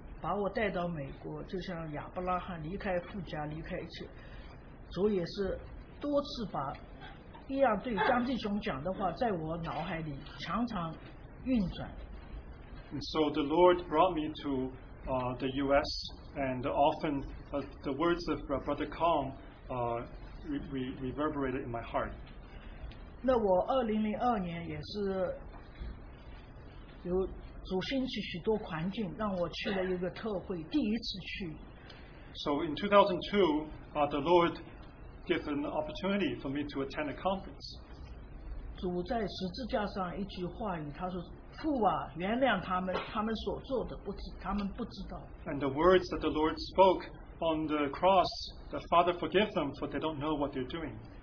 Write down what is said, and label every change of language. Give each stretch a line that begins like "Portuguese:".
Chinese: 那后来主把我带到美国, 就像亚伯拉罕, 离开父家, 离开一切, 主也是多次把 一样对张弟兄讲的话, 在我脑海里常常运转。
English: And so the Lord brought me to the U.S. and often the words of Brother Kong reverberated in my heart.
Chinese: 那我2002年也是有主兴起许多环境, 让我去了一个特会, 第一次去。
English: So in 2002, the Lord give an opportunity for me to attend a conference.
Chinese: 主在十字架上一句话语, 他说, 父啊, 原谅他们, 他们所做的不知, 他们不知道。
English: And the words that the Lord spoke on the cross, the Father forgive them, for they don't know what they're doing.